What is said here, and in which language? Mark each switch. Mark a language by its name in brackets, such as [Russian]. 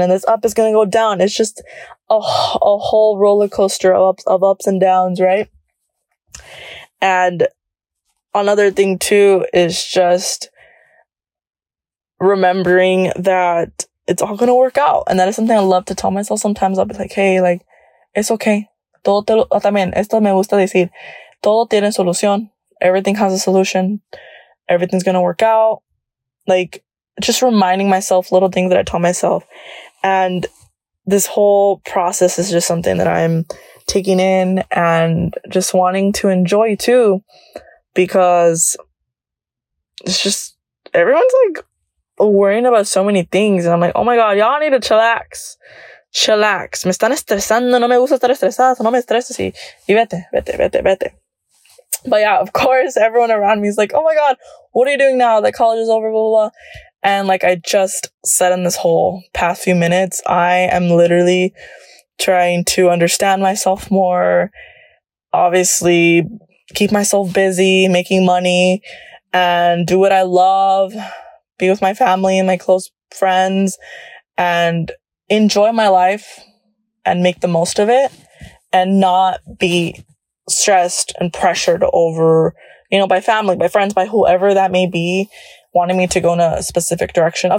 [English] And this up is going to go down. It's just a whole roller coaster of ups and downs, right? And another thing too is just remembering that it's all gonna work out. And that is something I love to tell myself sometimes. I'll be like, hey, like, it's okay. [Spanish] Todo te lo, también, esto me gusta decir. Todo tiene solución. [English] Everything has a solution. Everything's gonna work out. Like, just reminding myself little things that I tell myself. And this whole process is just something that I'm taking in and just wanting to enjoy too, because it's just, everyone's like worrying about so many things, and I'm like, oh my God, y'all need to chillax. [Spanish] Me están estresando, no me gusta estar estresada, so no me estreses, y vete. [English] But yeah, of course everyone around me is like, oh my God, what are you doing now that college is over, blah blah blah. And like I just said in this whole past few minutes, I am literally trying to understand myself more, obviously keep myself busy making money and do what I love, be with my family and my close friends, and enjoy my life and make the most of it, and not be stressed and pressured over, you know, by family, by friends, by whoever that may be, wanting me to go in a specific direction.